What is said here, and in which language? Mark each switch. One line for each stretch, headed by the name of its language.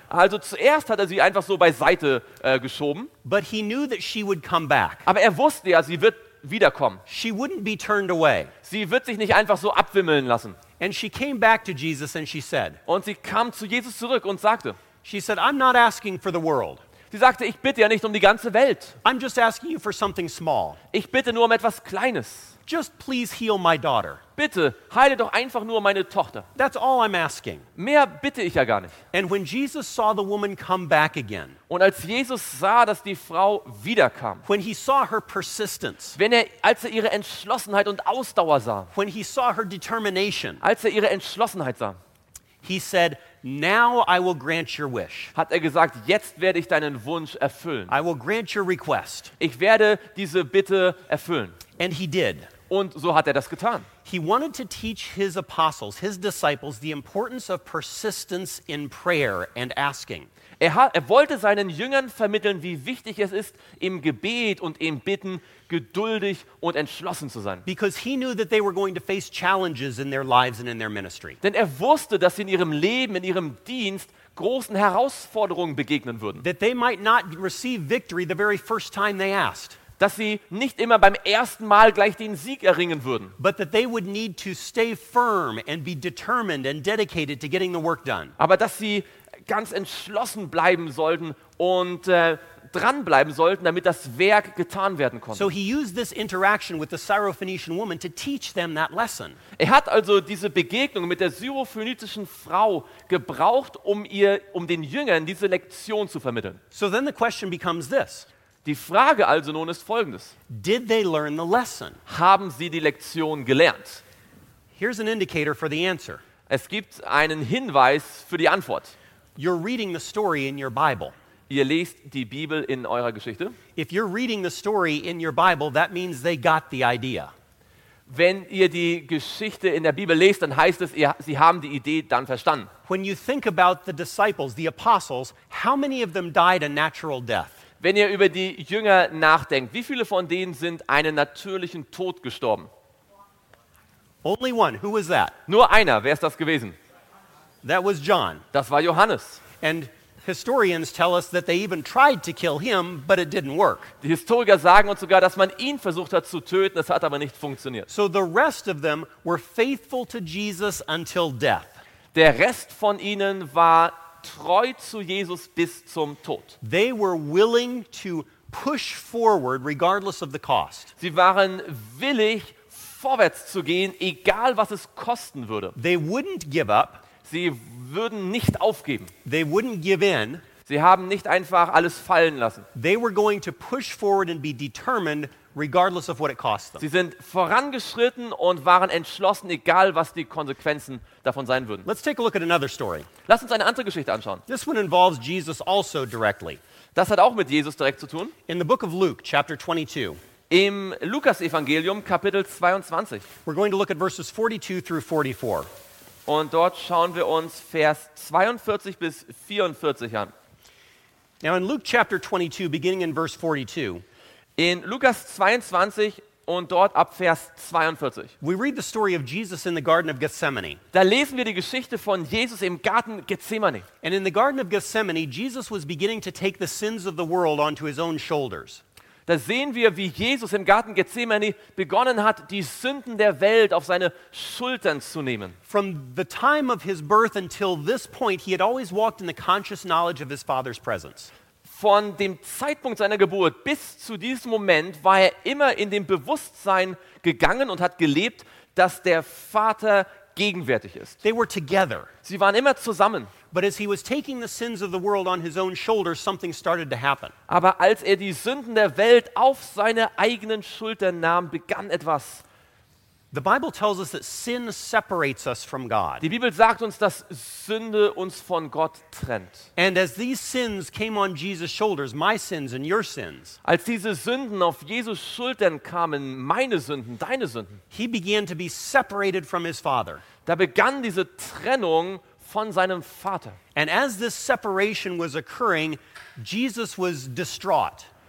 German: Also zuerst hat er sie einfach so beiseite geschoben.
English: But he knew that she would come back.
German: Aber er wusste ja, sie wird wiederkommen.
English: She wouldn't be turned away.
German: Sie wird sich nicht einfach so abwimmeln lassen.
English: And she came back to Jesus and she said.
German: Und sie kam zu Jesus zurück und sagte.
English: She said, I'm not asking for the world.
German: Sie sagte, ich bitte ja nicht um die ganze Welt.
English: I'm just asking you for something small.
German: Ich bitte nur um etwas Kleines.
English: Just please heal my daughter.
German: Bitte heile doch einfach nur meine Tochter.
English: That's all I'm asking.
German: Mehr bitte ich ja gar nicht.
English: And when Jesus saw the woman come back again.
German: Und als Jesus sah, dass die Frau wiederkam.
English: When he saw her persistence.
German: Als er ihre Entschlossenheit und Ausdauer sah.
English: When he saw her determination.
German: Als er ihre Entschlossenheit sah.
English: He said, "Now I will grant your wish."
German: Hat er gesagt, jetzt werde ich deinen Wunsch erfüllen.
English: I will grant your request.
German: Ich werde diese Bitte erfüllen.
English: And he did.
German: Und so hat er das getan.
English: He wanted to teach his apostles, his disciples, the importance of persistence in prayer and asking.
German: Er wollte seinen Jüngern vermitteln, wie wichtig es ist, im Gebet und im Bitten geduldig und entschlossen zu sein.
English: Because he knew that they were going to face challenges in their lives and in their ministry.
German: Denn er wusste, dass sie in ihrem Leben, in ihrem Dienst großen Herausforderungen begegnen würden.
English: That they might not receive victory the very first time they asked.
German: Dass sie nicht immer beim ersten Mal gleich den Sieg erringen würden.
English: But that they would need to stay firm and be determined and dedicated to getting the work done.
German: Aber dass sie ganz entschlossen bleiben sollten und dranbleiben sollten, damit das Werk getan werden konnte.
English: So he used this interaction with the Syrophoenician woman to teach them that lesson.
German: Er hat also diese Begegnung mit der syrophönizischen Frau gebraucht, um den Jüngern diese Lektion zu vermitteln.
English: So then the question becomes this.
German: Die Frage also nun ist folgendes.
English: Did they learn the lesson?
German: Haben sie die Lektion gelernt?
English: Here's an indicator for the answer.
German: Es gibt einen Hinweis für die Antwort.
English: You're reading the story in your Bible.
German: Ihr lest die Bibel in eurer Geschichte.
English: If you're reading the story in your Bible, that means they got the idea.
German: Wenn ihr die Geschichte in der Bibel lest, dann heißt es, sie haben die Idee dann verstanden.
English: When you think about the disciples, the apostles, how many of them died a natural death?
German: Wenn ihr über die Jünger nachdenkt, wie viele von denen sind einen natürlichen Tod gestorben?
English: Only one. Who was that?
German: Nur einer. Wer ist das gewesen?
English: That was John.
German: Das war Johannes.
English: And historians tell us that they even tried to kill him, but it didn't work.
German: Die Historiker sagen uns sogar, dass man ihn versucht hat zu töten, das hat aber nicht funktioniert.
English: So the rest of them were faithful to Jesus until death.
German: Der Rest von ihnen war treu zu Jesus bis zum Tod.
English: They were willing to push forward regardless of the cost.
German: Sie waren willig vorwärts zu gehen, egal was es kosten würde.
English: They wouldn't give up.
German: Sie würden nicht aufgeben.
English: They wouldn't give in.
German: Sie haben nicht einfach alles fallen lassen.
English: They were going to push forward and be determined regardless of what it cost them.
German: Sie sind vorangeschritten und waren entschlossen, egal was die Konsequenzen davon sein würden.
English: Let's take a look at another story.
German: Lass uns eine andere Geschichte anschauen.
English: This one involves Jesus also directly.
German: Das hat auch mit Jesus direkt zu tun.
English: In the book of Luke, chapter 22.
German: Im Lukas-Evangelium, Kapitel 22.
English: We're going to look at verses 42 through 44.
German: Und dort schauen wir uns Vers 42 bis 44 an.
English: Now in Luke chapter 22, beginning in verse 42.
German: In Lukas 22 und dort ab Vers 42.
English: We read the story of Jesus in the Garden of Gethsemane.
German: Da lesen wir die Geschichte von Jesus im Garten Gethsemane.
English: And in the Garden of Gethsemane, Jesus was beginning to take the sins of the world onto his own shoulders.
German: Da sehen wir, wie Jesus im Garten Gethsemane begonnen hat, die Sünden der Welt auf seine Schultern zu nehmen.
English: From the time of his birth until this point, he had always walked in the conscious knowledge of his Father's presence.
German: Von dem Zeitpunkt seiner Geburt bis zu diesem Moment war er immer in dem Bewusstsein gegangen und hat gelebt, dass der Vater gegenwärtig ist.
English: They were together.
German: Sie waren immer zusammen.
English: But as he was taking the sins of the world on his own shoulders, something started to happen.
German: Aber als er die Sünden der Welt auf seine eigenen Schultern nahm, begann etwas.
English: The Bible tells us that sin separates us from God.
German: Die Bibel sagt uns, dass Sünde uns von Gott trennt.
English: And as these sins came on Jesus' shoulders, my sins and your sins.
German: Als diese Sünden auf Jesus' Schultern kamen, meine Sünden, deine Sünden.
English: He began to be separated from his Father.
German: Da begann diese Trennung von seinem Vater.
English: And as this separation was occurring, Jesus was distraught.